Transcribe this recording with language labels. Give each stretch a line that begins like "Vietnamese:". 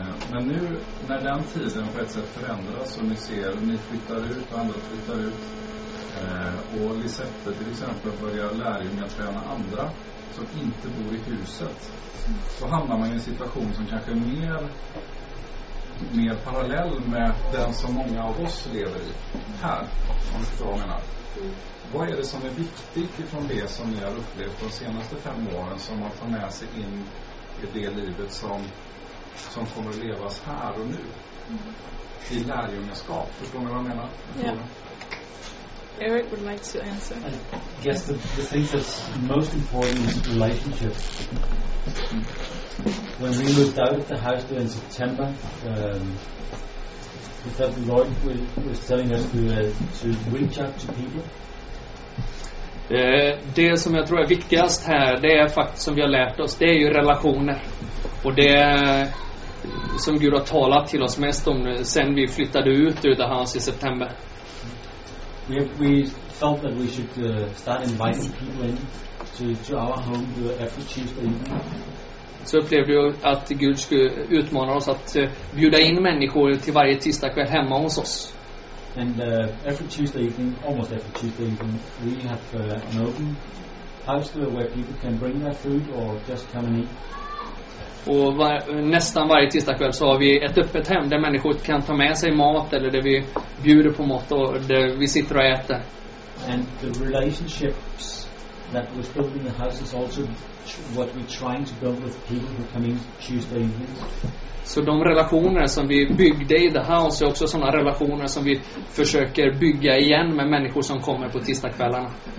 Swedish: Men nu när den tiden på ett sätt förändras, och ni ser att ni flyttar ut och andra flyttar ut, och Lisette till exempel börjar lärjungar träna andra som inte bor i huset, så hamnar man i en situation som kanske är mer parallell med den som många av oss lever i här, om du förstår vad jag menar. Vad är det som är viktigt ifrån det som ni har upplevt de senaste 5 åren som man tar med sig in i det livet som kommer att levas här och nu i lärjungaskap? Förstår ni vad jag menar?
English: Eric would like to answer. I guess the thing that's most important is relationship. When we moved out of the house there in September, we felt the Lord was telling us to reach out to people.
Swedish: Det som jag tror är viktigast här, det är faktiskt som vi har lärt oss, det är ju relationer. Och det som Gud har talat till oss mest om sen vi flyttade ut ur det house i september.
English: We felt that we should start inviting people in to our home every Tuesday evening.
Swedish: så upplevde jag att Gud skulle utmana oss att bjuda in människor till varje tisdag kväll hemma hos oss.
English: And every Tuesday evening, almost every Tuesday evening, we have an open house where people can bring their food or just come and eat.
Swedish: Och nästan varje tisdag kväll så har vi ett öppet hem där människor kan ta med sig mat eller där vi bjuder på mat och där vi sitter och äter.
English: And the relationships that we're building in the house is also what we're trying to build with people who come in Tuesday evenings.
Swedish: Så de relationer som vi byggde i The House är också sådana relationer som vi försöker bygga igen med människor som kommer på tisdagskvällarna.